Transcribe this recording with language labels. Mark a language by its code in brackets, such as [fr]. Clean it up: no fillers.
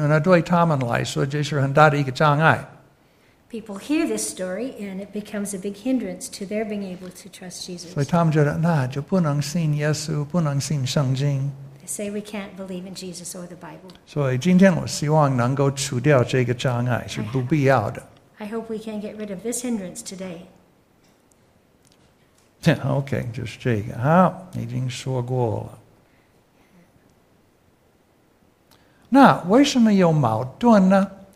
[zh] 而且很多人听说是这个样子呢，那对他们来说这是很大的一个障碍。 [en] People hear this story and it becomes a big hindrance to their being able to trust Jesus. [zh] 所以他们觉得那就不能信耶稣，不能信圣经。 [en] They say we can't believe in Jesus or the Bible. [zh] 所以今天我希望能够除掉这个障碍，是不必要的。 [en] I hope we can get rid of this hindrance today. [zh] OK, 就是这个，好，已经说过了。那为什么有矛盾呢？